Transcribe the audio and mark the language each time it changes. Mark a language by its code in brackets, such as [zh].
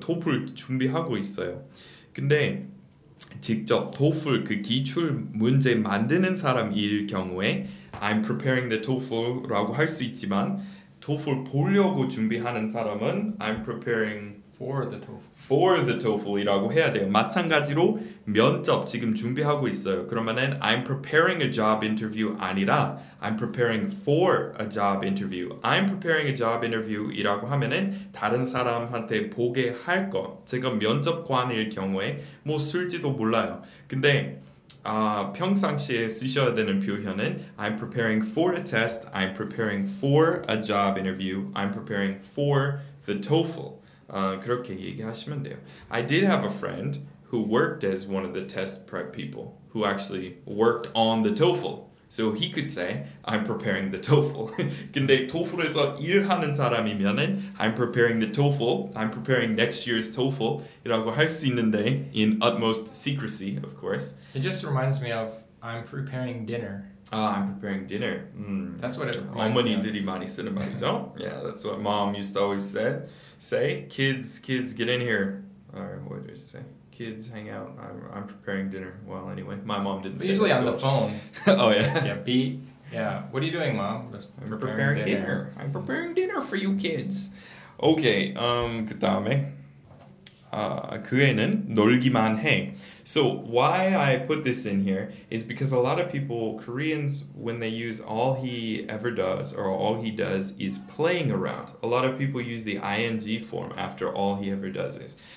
[ko] TOEFL 준비하고 있어요. 근데 직접 TOEFL 그 기출 문제 만드는 사람일 경우에 [en] I'm preparing the TOEFL [ko] 라고 할 수 있지만 TOEFL 보려고 준비하는 사람은 [en] I'm preparing for the TOEFL. For the [ko] TOEFL이라고 해야 돼요. 마찬가지로 면접 지금 준비하고 있어요. 그러면은 [en] I'm preparing a job interview [ko] 아니라 [en] I'm preparing for a job interview. I'm preparing a job interview [ko] 이라고 하면은 다른 사람한테 보게 할 거. 제가 면접관일 경우에 뭐 쓸지도 몰라요. 근데 평상시에 쓰셔야 되는 표현은 [en] I'm preparing for a test, I'm preparing for a job interview, I'm preparing for the TOEFL. [ko] 그렇게 얘기하시면 돼요. [en] I did have a friend who worked as one of the test prep people who actually worked on the TOEFL. So he could say, I'm preparing the TOEFL. [ko] 근데 TOEFL에서 일하는 사람이면은 [en] I'm preparing the TOEFL, I'm preparing next year's TOEFL [ko] 이라고 할 수 있는데 [en] in utmost secrecy, of course. It just reminds me of I'm preparing dinner. Ah, I'm preparing dinner. Mm. That's what it reminds me of. [ko] 어머니들이 많이 쓰는 말이죠. [en] Yeah, that's what mom used to always say. Kids, get in here. Or what did you say? Kids hang out. I'm preparing dinner. Well, anyway, my mom didn't say usually that on the phone. Oh, yeah. Yeah, Pete. Yeah. What are you doing, mom? I'm preparing dinner. I'm preparing dinner for you kids. Okay. [ko] 그 다음에 그 애는 놀기만 해. [en] So why I put this in here is because a lot of people, Koreans, when they use all he ever does or all he does is playing around, a lot of people use the ing form after all he ever does is.